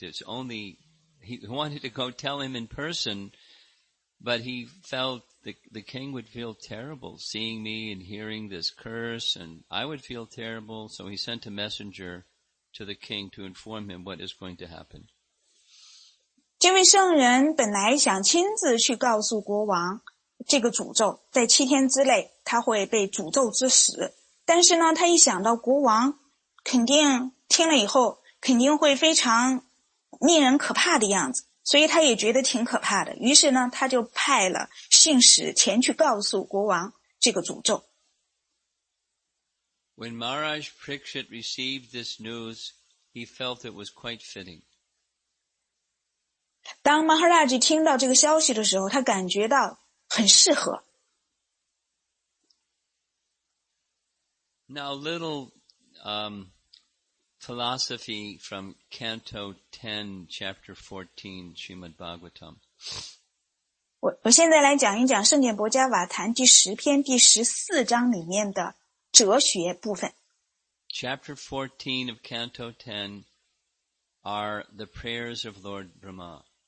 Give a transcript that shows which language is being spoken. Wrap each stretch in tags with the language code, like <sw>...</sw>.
<en>He wanted to go tell him in person, but he felt the king would feel terrible seeing me and hearing this curse, and I would feel terrible, so he sent a messenger to the king to inform him what is going to happen.</en> <zh>这位圣人本来想亲自去告诉国王这个诅咒，在七天之内他会被诅咒致死，但是呢，他一想到国王肯定听了以后肯定会非常令人可怕的样子，所以他也觉得挺可怕的，于是呢，他就派了信使前去告诉国王这个诅咒。</zh> <en>When Maharaj Parikshit received this news, he felt it was quite fitting.</en> <zh>当 Maharaj 听到这个消息的时候，他感觉到很适合。</zh> <en>Now, a little philosophy from Canto 10, Chapter 14, Srimad Bhagavatam.</en> <zh>我现在来讲一讲《圣典博伽瓦坛》第十篇第十四章里面的哲学部分。</zh> <en>Chapter 14 of Canto 10 are the prayers of Lord Brahma.</en>